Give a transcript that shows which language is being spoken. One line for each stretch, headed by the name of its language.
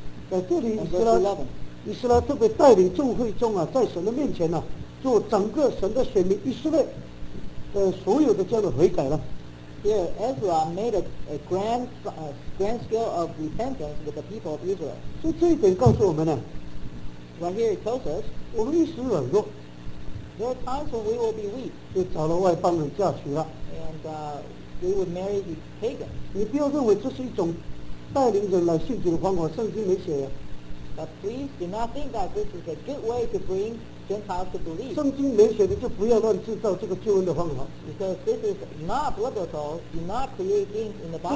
Chinese: 在这里以斯拉特别带领众会众啊，在神的面前呢、啊，做整个神的选民以色列的所有的这样的悔改了。
English: Here Ezra made a grand scale of repentance with the people of Israel.
Chinese: 所以这一点告诉我们呢、啊、
English: ，Right here it tells us，
Chinese: 我们一时软弱。
English: There are times when we will be weak.
Chinese: 就找了外邦人嫁娶了。
English: we would marry the pagan.
Chinese: 你不要认为这是一种带领人来信主的方法，圣经没写啊。
English: But please do not think that this is a good way to bring Gentiles to believe.
Chinese: 圣经没写的就不要乱制造这个救恩的方法。
English: Because this is not biblical, do not create things in the Bible.